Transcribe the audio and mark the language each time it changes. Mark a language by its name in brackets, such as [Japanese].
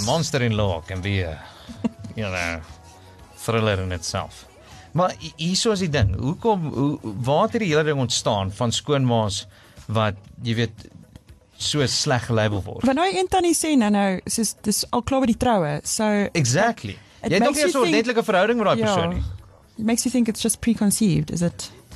[English] A monster in law can be a, you know, thriller in itself. [Afrikaans] Maar hierso is die ding. Hoekom, waar het die hele ding ontstaan van skoonmaas wat, jy weet, so sleg gelabel word? Want nou een tannie sê nou, soos, dis al klaar by die troue, so... [English] Exactly. [Afrikaans] Jy het ook nie so ordentlike verhouding met die persoon nie. [English] It makes you think it's just preconceived, is it?